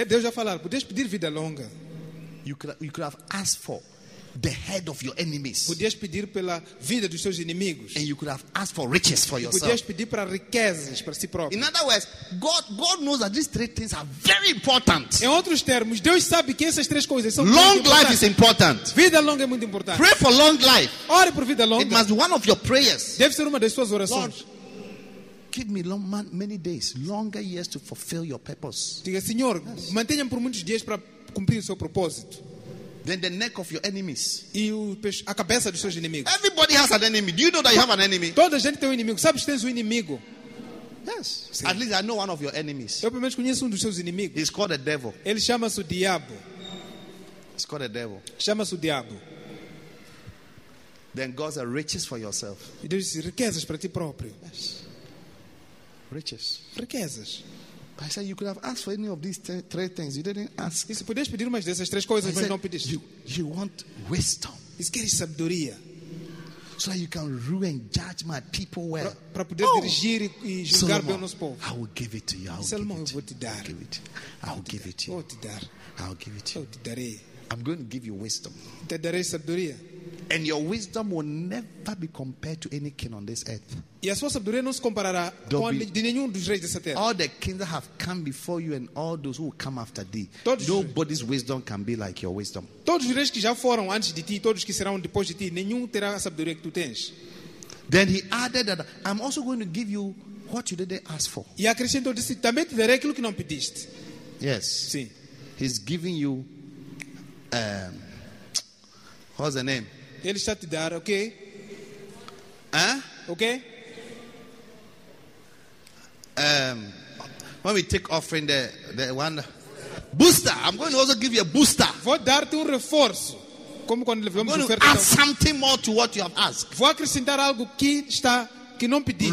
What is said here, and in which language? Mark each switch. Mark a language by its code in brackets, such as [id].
[pt] Deus já falou, podias pedir vida longa? [en] You could have asked for the head of your enemies. [pt] Podias pedir pela vida dos seus inimigos. [en] And you could have asked for riches for yourself. [pt] Podias pedir para riquezas para si próprio. [en] In other words, God knows that these three things are very important. [pt] Em outros termos, Deus sabe que essas três coisas são [en] long life is important. [pt] Vida longa é muito importante. [en] Pray for long life. [pt] Ore por vida longa. [en] It must be one of your prayers. [pt] Deve ser uma das suas orações. [en] Lord, give me long, many days, longer years to fulfill your purpose. [pt] Diga, Senhor, yes. Mantenha-me por muitos dias para cumprir o seu propósito. [en] Then the neck of your enemies. [pt] E a cabeça dos seus inimigos. [en] Everybody has an enemy. Do you know that you have an enemy? [pt] Toda gente tem um inimigo. Sabe que tens um inimigo? [en] Yes. Sim. At least I know one of your enemies. [pt] Eu pelo menos conheço um dos seus inimigos. [en] He's called a devil. [pt] Ele chama-se o diabo. [en] He's called a devil. [pt] Chama-se o diabo. [en] Then God's a riches for yourself. [pt] E Deus diz, riquezas para ti próprio. [en] Yes. Riches. [pt] Riquezas. [en] I said you could have asked for any of these three things. You didn't ask. [pt] Se pudes pedir umas dessas três coisas, mas não pediste. [en] You want wisdom. [pt] Queres sabedoria. [en] So that you can rule and judge my people well. [pt] Para poder dirigir e julgar bem o nosso povo. [en] I will give it to you. [pt] Salomão, eu vou te dar. [en] I will give it to you. [pt] Vou te dar. [en] I will give it to you. [pt] Eu te darei. [en] I'm going to give you wisdom. [pt] Te darei sabedoria. [en] And your wisdom will never be compared to any king on this earth. [pt] E a sua sabedoria não se comparará de nenhum dos reis dessa terra. [en] All the kings that have come before you and all those who will come after thee. Nobody's wisdom can be like your wisdom. [pt] Todos os reis que já foram antes de ti, todos que serão depois de ti, nenhum terá a sabedoria que tu tens. [en] Then he added that I'm also going to give you what you didn't ask for. [pt] E acrescentou, disse, também te darei aquilo que não pediste. [en] Yes. [pt] Sim. [en] He's giving you what's the name? [pt] Ele está te dar, ok? Huh? Ok? [en] When we take offering the one booster, I'm going to also give you a booster. [pt] Vou dar-te reforço. Como quando levamos [en] I'm going to add something more to what you have asked. [pt] Vou acrescentar algo que está que não pediste.